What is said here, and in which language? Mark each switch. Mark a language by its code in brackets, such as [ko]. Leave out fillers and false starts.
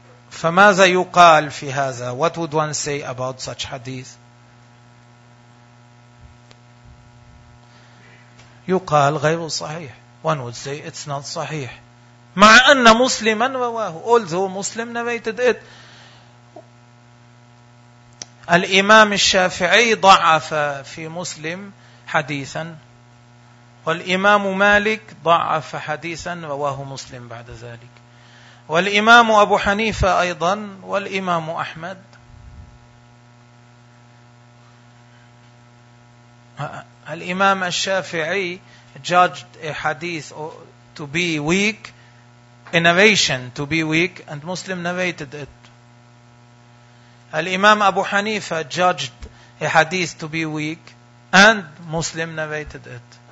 [ar] فماذا يقال في هذا؟ [en] What would one say about such hadith? [ar] يقال غير صحيح. [en] One would say it's not صحيح. [ar] مع أن مسلما رواه. [en] Although Muslim narrated it. [ar] الإمام الشافعي ضعف في مسلم حديثا. والإمام مالك ضعف حديثا رواه مسلم بعد ذلك. والإمام أبو حنيفة أيضا والإمام أحمد. [en] الإمام الشافعي judged a hadith to be weak, a narration to be weak, and Muslim narrated it. الإمام أبو حنيفة judged a hadith to be weak and Muslim narrated it.